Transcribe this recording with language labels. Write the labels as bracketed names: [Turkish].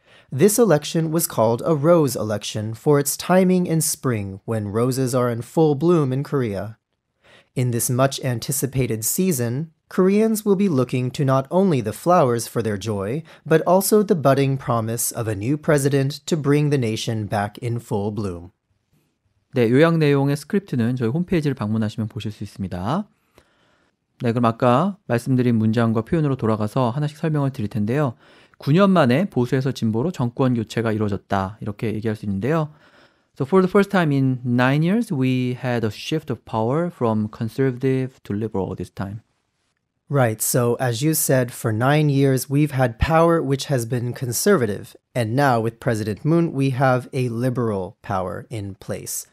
[English] This election was called a rose election for its timing in spring when roses are in full bloom in Korea. In this much-anticipated season, Koreans will be looking to not only the flowers for their joy, but also the budding promise of a new president to bring the nation back in full bloom. [Korean] 네, 요약 내용의 스크립트는 저희 홈페이지를 방문하시면 보실 수 있습니다. 네, 그럼 아까 말씀드린 문장과 표현으로 돌아가서 하나씩 설명을 드릴 텐데요. 9년 만에 보수에서 진보로 정권 교체가 이루어졌다. 이렇게 얘기할 수 있는데요. [English] So for the first time in 9 years, we had a shift of power from conservative to liberal this time. Right, so as you said, for 9 years, we've had power which has been conservative. And now with President Moon, we have a liberal power in place.